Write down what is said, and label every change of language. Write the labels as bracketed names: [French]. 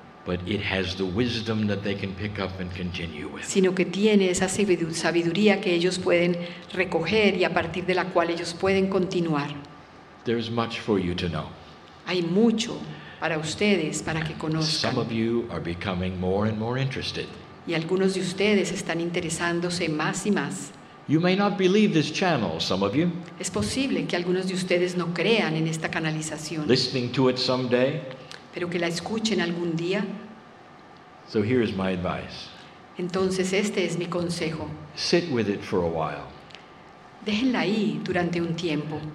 [English] but it has the wisdom that they can pick up and continue with. [Spanish] Sino que tiene esa sabiduría que ellos pueden recoger y a partir de la cual ellos pueden continuar. [English] There's much for you to know. [Spanish] Hay mucho para ustedes para que conozcan. [English] Some of you are becoming more and more interested. [Spanish] Y algunos de ustedes están interesándose más y más. [English] You may not believe this channel, some of you. [Spanish] Es posible que algunos de ustedes no crean en esta canalización. [English] Listening to it someday. [Spanish] Pero que la escuchen algún día. [English] So here is my advice. [Spanish] Entonces este es mi consejo. [English] Sit with it for a while. [Spanish] Déjenla ahí durante un tiempo.